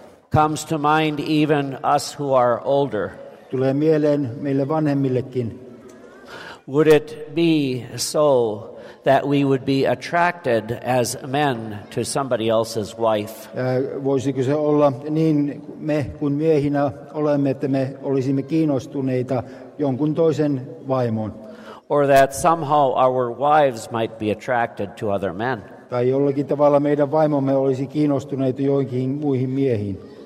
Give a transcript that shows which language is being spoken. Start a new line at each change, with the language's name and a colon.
English: Comes to mind even us who are older.
Finnish: Tulee mieleen meille vanhemmillekin.
English: Would it be so that we would be attracted as men to somebody else's wife?
Finnish: Voisiko se olla niin me kuin miehinä olemme, että me olisimme kiinnostuneita jonkun toisen vaimoon?
English: Or that somehow our wives might be attracted to other men?
Finnish: Tai jollakin tavalla meidän vaimomme olisi kiinnostuneita joihinkin muihin miehiin?